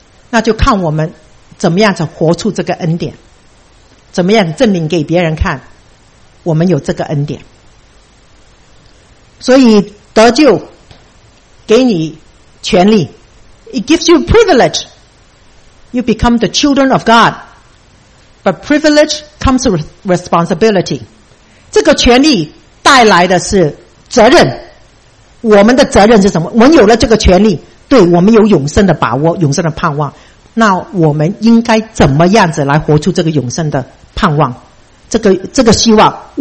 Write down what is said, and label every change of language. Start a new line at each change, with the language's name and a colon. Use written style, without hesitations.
Chinese: 那就看我们怎么样子活出这个恩典，怎么样证明给别人看我们有这个恩典。所以得救给你权利，
English: It gives you privilege. You become the children of God. But privilege comes with responsibility.
Chinese: 这个权利带来的是责任。我们的责任是什么？我们有了这个权利，对，我们有永生的把握，永生的盼望。那我们应该怎么样子来活出这个永生的盼望，这个希望？